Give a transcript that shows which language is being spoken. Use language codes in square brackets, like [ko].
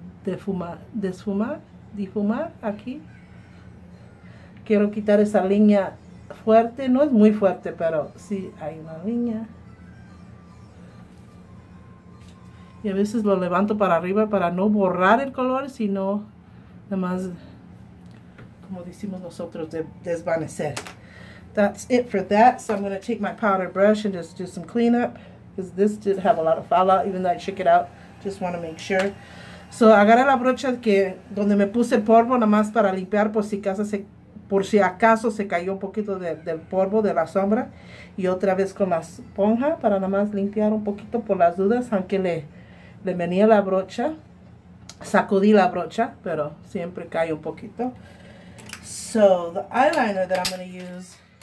[es] difumar aquí. Quiero quitar esa línea fuerte, no es muy fuerte, pero sí hay una línea. Y a veces lo levanto para arriba para no borrar el color, sino nada más, como decimos nosotros, de desvanecer. [en] That's it for that. So I'm going to take my powder brush and just do some cleanup, because this did have a lot of fallout, even though I shook it out. Just want to make sure. [es] So, agarré la brocha que donde me puse polvo, nada más para limpiar por si acaso se cayó un poquito del polvo de la sombra. Y otra vez con la esponja para nada más limpiar un poquito por las dudas, aunque le venía la brocha. Sacudí la brocha, pero siempre cae un poquito. [en] So, the eyeliner that I'm going to use.